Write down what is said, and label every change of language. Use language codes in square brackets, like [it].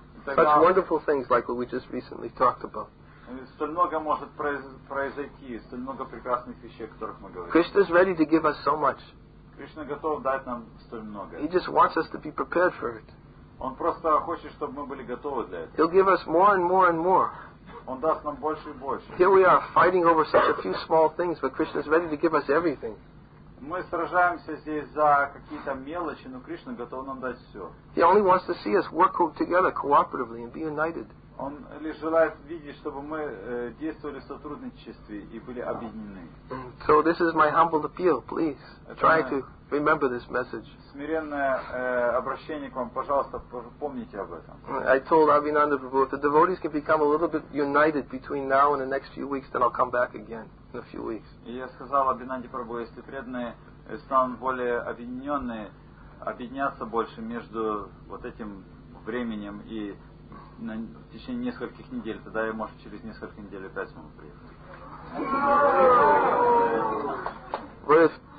[en] Such wonderful things like what we just recently talked about. [ru] Столь много может произойти, столь много прекрасных вещей, о которых мы говорим. [en] Krishna is ready to give us so much. [ru] Кришна готов дать нам столь много. [en] He just wants us to be prepared for it. [ru] Он просто хочет, чтобы мы были готовы для этого. [en] He'll give us more and more and more. [ru] Он даст нам больше и больше. [en] Here we are fighting over such a few small things, but Krishna is ready to give us everything. [ru] Мы сражаемся здесь за какие-то мелочи, но Кришна готов нам дать все. [en] He only wants to see us work together cooperatively and be united. [ru] Он лишь желает видеть, чтобы мы действовали в сотрудничестве и были объединены. [en] So this is my humble appeal, please. Try to remember this message. [ru] Смиренное обращение к вам, пожалуйста, помните об этом. [en] I told Avinanda Prabhu, if the devotees can become a little bit united between now and the next few weeks, then I'll come back again in a few weeks. [ru] Я сказал Авинанде Прабху, если преданные станут более объединенные, объединяться больше между вот этим временем и в течение нескольких недель, тогда я, может, через несколько недель опять смогу приехать.